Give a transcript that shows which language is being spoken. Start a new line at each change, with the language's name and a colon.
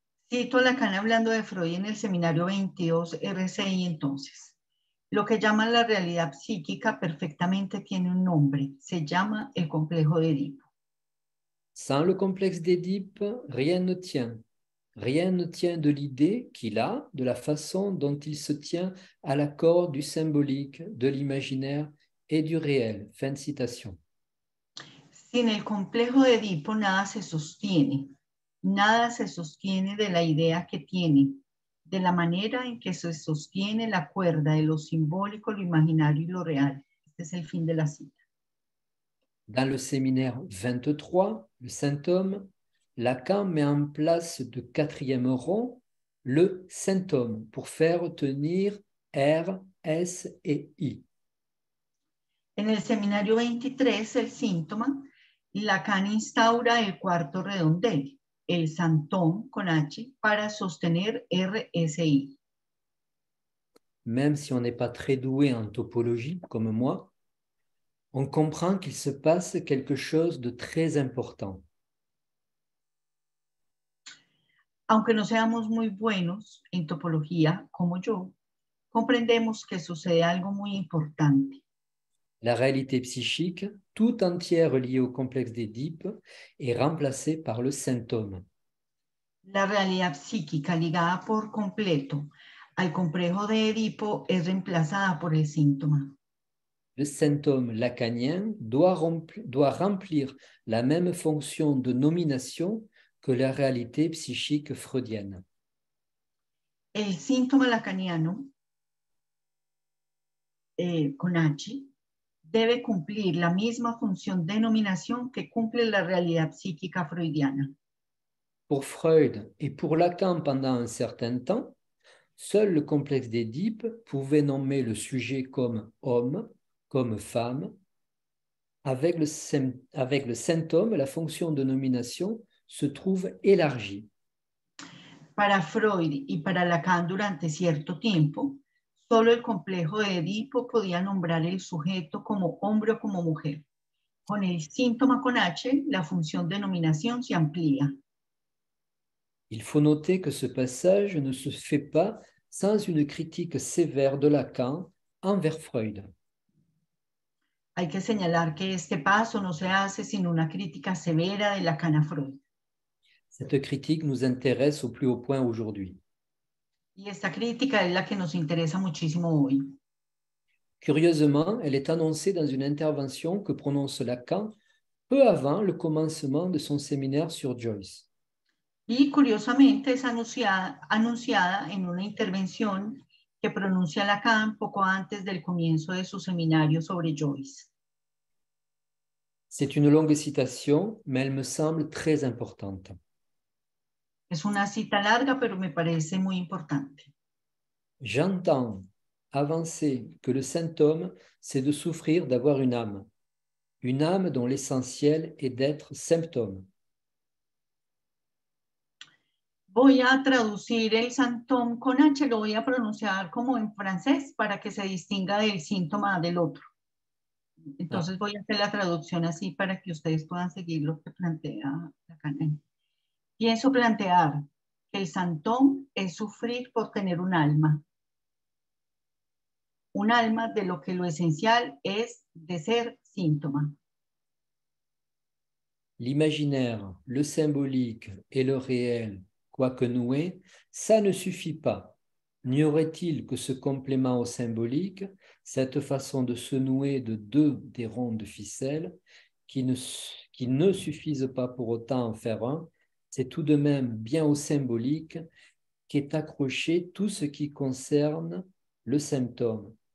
Spanish: Cito a Lacan hablando de Freud en el seminario 22 RSI entonces. Lo que llaman la realidad psíquica perfectamente tiene un nombre, se llama el complejo de Édipo.
French: Sans le complexe d'Édipe, rien ne tient. Rien ne tient de l'idée qu'il a, de la façon dont il se tient à l'accord du symbolique, de l'imaginaire et du réel. Fin de citation.
Spanish: Sin el complejo de Édipo, nada se sostiene. Nada se sostiene de la idea que tiene, de la manera en que se sostiene la cuerda de lo simbólico, lo imaginario y lo real. Este es el fin de la cita.
French: Dans le séminaire 23, le symptôme, Lacan met en place de quatrième rang le symptôme pour faire tenir R, S et I.
Spanish: En el seminario 23, el síntoma, Lacan instaura el cuarto redondel. El santón con H para sostener RSI.
French: Même si on n'est pas très doué en topologie comme moi, on comprend qu'il se passe quelque chose de très important.
Spanish: Aunque no seamos muy buenos en topología como yo, comprendemos que sucede algo muy importante.
French: La réalité psychique, tout entière liée au complexe d'Édipe, est remplacée par le symptôme.
Spanish: La realidad psíquica ligada por completo al complejo de Édipo es reemplazada por el síntoma.
French: Le symptôme lacanien doit remplir la même fonction de nomination que la réalité psychique freudienne.
Spanish: El síntoma lacaniano con H debe cumplir la misma función de nominación que cumple la realidad psíquica freudiana.
French: Pour Freud et pour Lacan pendant un certain temps, seul le complexe d'Édipe pouvait nommer le sujet comme homme, comme femme. Avec le symptôme, la fonction de nomination se trouve élargie.
Spanish: Para Freud y para Lacan durante cierto tiempo, solo el complejo de Édipo podía nombrar el sujeto como hombre o como mujer. Con el síntoma con H, la función de nominación se amplía.
French: Il faut noter que ce passage ne se fait pas sans une critique sévère de Lacan envers Freud.
Spanish: Hay que señalar que este paso no se hace sin una crítica severa de Lacan a Freud.
French: Cette critique nous intéresse au plus haut point aujourd'hui.
Spanish: Y esta crítica es la que nos interesa muchísimo hoy.
French: Curieusement, elle est annoncée dans une intervention que prononce Lacan peu avant le commencement de son séminaire sur Joyce.
Spanish: Y curiosamente es anunciada en una intervención que pronuncia Lacan poco antes del comienzo de su seminario sobre Joyce.
French: C'est une longue citation, mais elle me semble très importante.
Spanish: Es una cita larga, pero me parece muy importante.
French: J'entends avancer que le symptôme, c'est de souffrir d'avoir une âme dont l'essentiel est d'être symptôme.
Spanish: Voy a traducir el santón con H, lo voy a pronunciar como en francés para que se distinga del síntoma del otro. Entonces voy a hacer la traducción así para que ustedes puedan seguir lo que plantea Lacan. Pienso plantear que el santón es sufrir por tener un alma de lo que lo esencial es de ser síntoma.
French: L'imaginaire, le symbolique et le réel. Quoique noué, ça ne suffit pas. N'y aurait-il que ce complément au symbolique, cette façon de se nouer de deux des ronds de ficelle, qui ne suffisent pas pour autant en faire un, c'est tout de même bien au symbolique qu'est accroché tout ce qui concerne le symptôme.